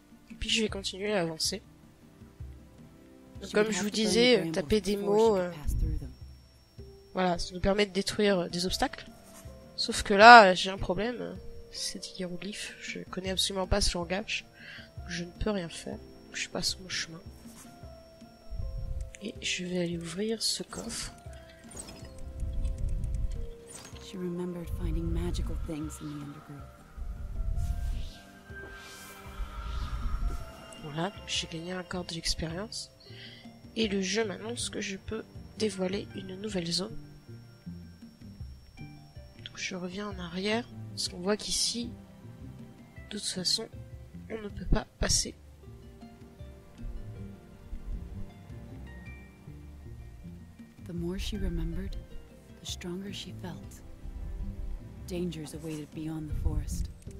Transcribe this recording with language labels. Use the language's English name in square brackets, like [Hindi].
[French] Et puis je vais continuer à avancer. Donc, comme je vous disais, taper des mots, voilà, ça nous permet de détruire des obstacles. Sauf que là j'ai un problème. C'est des hiéroglyphes, je connais absolument pas ce langage. Je ne peux rien faire. Je passe mon chemin. Et je vais aller ouvrir ce coffre. [English] She remembered finding magical things in the undergrowth. [French] Voilà, j'ai gagné un quart de l'expérience. Et le jeu m'annonce que je peux dévoilé une nouvelle zone. Donc je reviens en arrière, parce qu'on voit qu'ici, de toute façon, on ne peut pas passer. [English] The more she remembered, the stronger she felt. Dangers awaited beyond the forest.